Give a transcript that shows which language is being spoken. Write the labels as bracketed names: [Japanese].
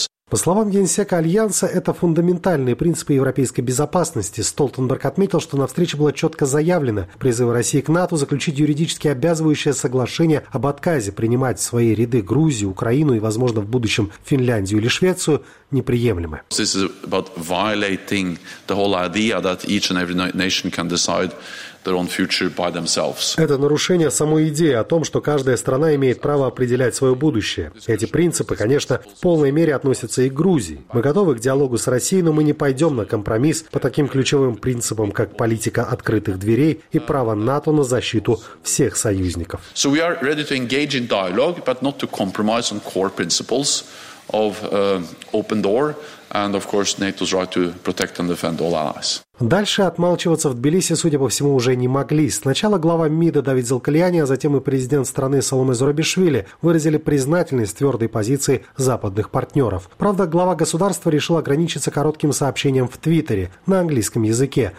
[Russian] По словам генсека Альянса, это фундаментальные принципы европейской безопасности. Столтенберг отметил, что на встрече было четко заявлено призывы России к НАТО заключить юридически обязывающее соглашение об отказе принимать в свои ряды Грузию, Украину и, возможно, в будущем Финляндию или Швецию, неприемлемы. [English] This is about violating the whole idea that each and every nation can decide their own future by themselves. [Russian] Это нарушение самой идеи о том, что каждая страна имеет право определять свое будущее. Эти принципы, конечно, в полной мере относятся и к Грузии. Мы готовы к диалогу с Россией, но мы не пойдем на компромисс по таким ключевым принципам, как политика открытых дверей и право НАТО на защиту всех союзников. [English] So we are ready to engage in dialogue, but not to compromise on core principles of open door and of course NATO's right to protect and defend all allies. [Russian] Дальше отмалчиваться в Тбилиси, судя по всему, уже не могли. Сначала глава МИДа Давид Дзелкальяни, а затем и президент страны Саломе Зурабишвили выразили признательность твердой позиции западных партнеров. Правда, глава государства решил ограничиться коротким сообщением в Твиттере на английском языке.